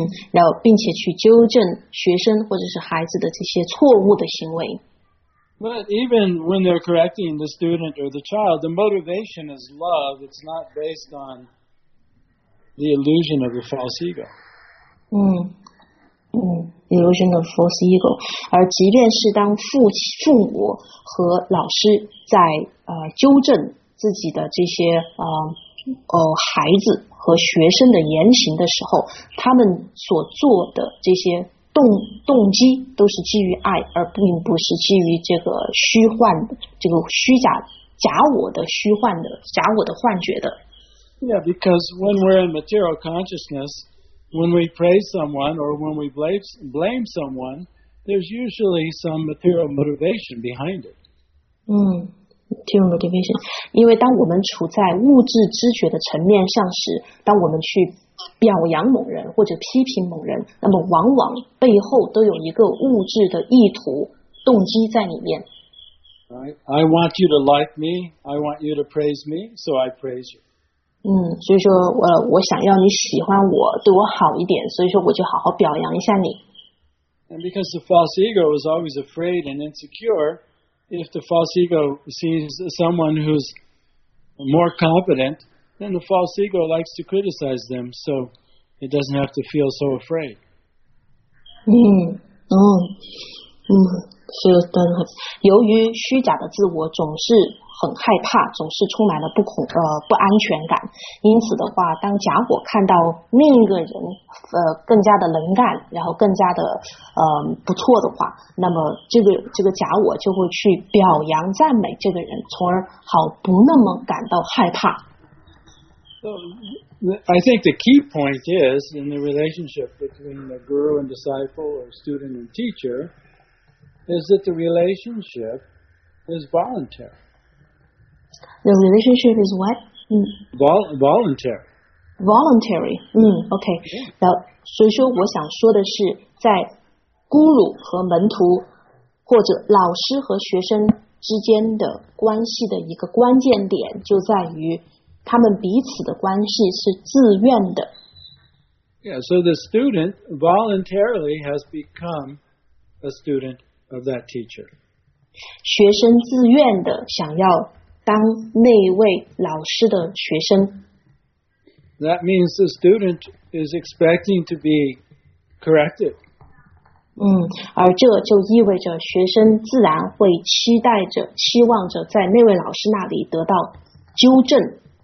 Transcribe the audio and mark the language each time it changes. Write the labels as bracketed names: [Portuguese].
[Chinese] 然后并且去纠正学生或者是孩子的这些错误的行为。 [English] But even when they're correcting the student or the child, the motivation is love. It's not based on the illusion of the false ego. illusion of false ego. [Chinese] 而即便是当父母和老师在纠正自己的这些孩子和学生的言行的时候，他们所做的这些动机都是基于爱，而并不是基于这个虚幻的这个虚假假我的虚幻的假我的幻觉的。 [English] Yeah, because when we're in material consciousness, when we praise someone or when we blame someone, there's usually some material motivation behind it. Material motivation. [Chinese] 因为当我们处在物质知觉的层面上时，当我们去表扬某人或者批评某人，那么往往背后都有一个物质的意图动机在里面。 [English] I want you to like me. I want you to praise me, so I praise you. [Chinese] 所以说我想要你喜欢我，对我好一点，所以说我就好好表扬一下你。 [English] And because the false ego is always afraid and insecure, if the false ego sees someone who's more competent, then the false ego likes to criticize them, so it doesn't have to feel so afraid. [Chinese] 是的，由于虚假的自我总是很害怕，总是充满了不安全感，因此的话，当假我看到另一个人更加的能干，然后更加的不错的话，那么这个假我就会去表扬赞美这个人，从而好不那么感到害怕。 [English] I think the key point is in the relationship between the guru and disciple or student and teacher. Is that the relationship is voluntary? The relationship is what? Voluntary. Voluntary. Okay. Yeah. [Chinese] 所以说我想说的是，在孤鲁和门徒或者老师和学生之间的关系的一个关键点，就在于他们彼此的关系是自愿的。 Yeah. [English] So the student voluntarily has become a student. Of that teacher. [Chinese] 学生自愿的想要当那位老师的学生。 [English] That means the student is expecting to be corrected. [Chinese] 而这就意味着学生自然会期待着、期望着在那位老师那里得到纠正。